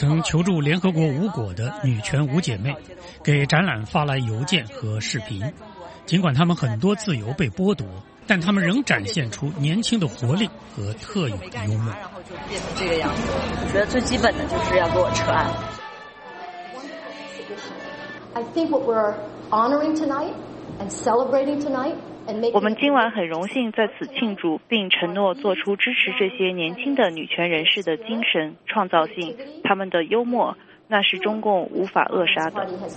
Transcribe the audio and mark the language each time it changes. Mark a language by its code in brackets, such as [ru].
[zh] 曾求助联合国无果的女权五姐妹给展览发来邮件和视频，尽管她们很多自由被剥夺，但她们仍展现出年轻的活力和特有的幽默。然后就变成这个样子，我觉得最基本的就是要给我撤案。 [en] I think what we're honoring tonight and celebrating tonight。 [zh] 我们今晚很荣幸在此庆祝，并承诺做出支持这些年轻的女权人士的精神、创造性，他们的幽默，那是中共无法扼杀的。